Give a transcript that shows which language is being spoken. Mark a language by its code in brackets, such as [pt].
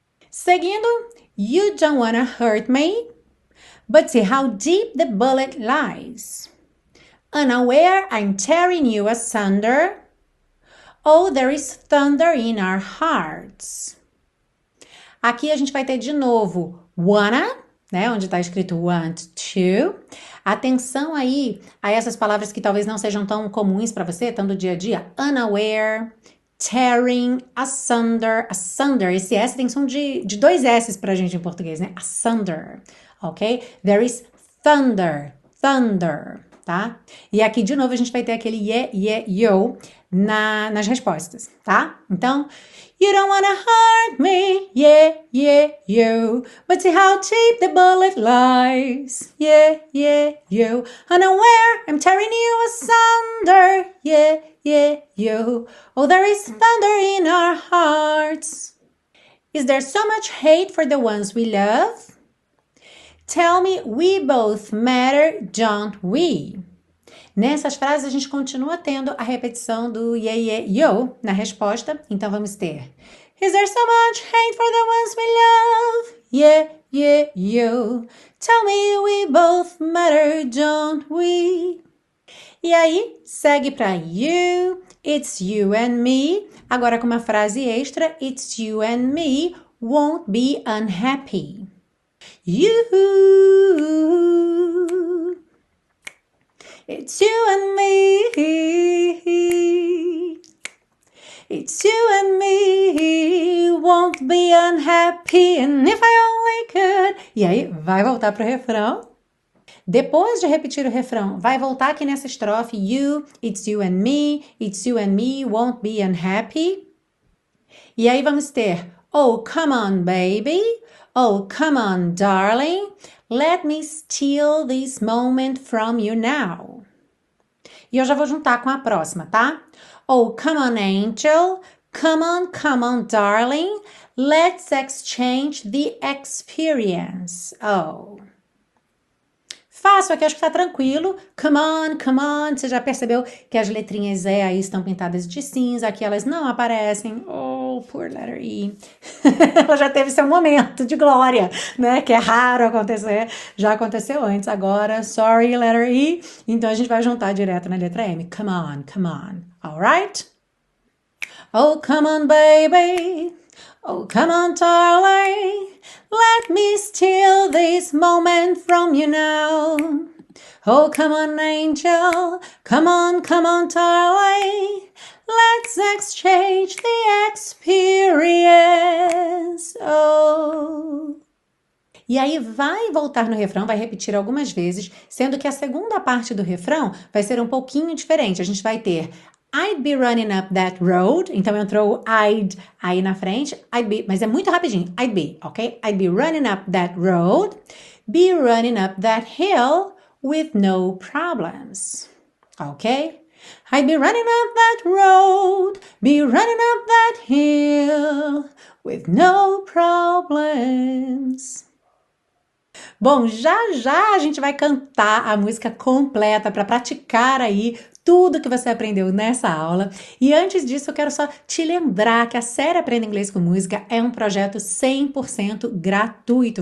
[en] Seguindo, you don't wanna hurt me, but see how deep the bullet lies. Unaware, I'm tearing you asunder. Oh, there is thunder in our hearts. [pt] Aqui a gente vai ter de novo wanna, né, onde está escrito want to. Atenção aí a essas palavras que talvez não sejam tão comuns para você, tanto do dia a dia. Unaware. [en] Tearing, asunder, asunder. [pt] Esse S tem som de dois S pra gente em português, né? [en] Asunder, ok? There is thunder, thunder, tá? [pt] E aqui, de novo, a gente vai ter aquele yo nas respostas, tá? [en] Então, you don't wanna hurt me, yo. But see how deep the bullet lies, yo. Unaware, I'm tearing you asunder, yo. Oh, there is thunder in our hearts. Is there so much hate for the ones we love? Tell me, we both matter, don't we? [pt] Nessas frases, a gente continua tendo a repetição do yo na resposta. Então, vamos ter. [en] Is there so much hate for the ones we love? Yo. Tell me, we both matter, don't we? [pt] E aí, segue para [en] you, it's you and me. [pt] Agora com uma frase extra, [en] it's you and me won't be unhappy. You, it's you and me, it's you and me won't be unhappy. And if I only could. [pt] E aí, vai voltar pro refrão. Depois de repetir o refrão, vai voltar aqui nessa estrofe, [en] you, it's you and me won't be unhappy. [pt] E aí vamos ter, [en] oh, come on, baby, oh, come on, darling, let me steal this moment from you now. [pt] E eu já vou juntar com a próxima, tá? [en] Oh, come on, angel, come on, darling, let's exchange the experience. [pt] Oh. Fácil aqui, acho que tá tranquilo. [en] Come on, [pt] você já percebeu que as letrinhas E aí estão pintadas de cinza, aqui elas não aparecem. [en] Oh, poor letter E. [pt] Ela já teve seu momento de glória, né? Que é raro acontecer, já aconteceu antes, agora, [en] sorry, letter E. [pt] Então a gente vai juntar direto na letra M. [en] Come on, alright? Oh, come on, baby. Oh, come on, darling. Let me steal this moment from you now. Oh, come on, angel. Come on, darling. Let's exchange the experience. [pt] Oh. E aí vai voltar no refrão, vai repetir algumas vezes, sendo que a segunda parte do refrão vai ser um pouquinho diferente. A gente vai ter [en] I'd be running up that road. [pt] Então entrou o I'd aí na frente. [en] I'd be, [pt] mas é muito rapidinho. [en] I'd be, ok? I'd be running up that road. Be running up that hill with no problems. Ok? I'd be running up that road. Be running up that hill with no problems. [pt] Bom, já já a gente vai cantar a música completa para praticar aí tudo que você aprendeu nessa aula. E antes disso, eu quero só te lembrar que a série Aprenda Inglês com Música é um projeto 100% gratuito.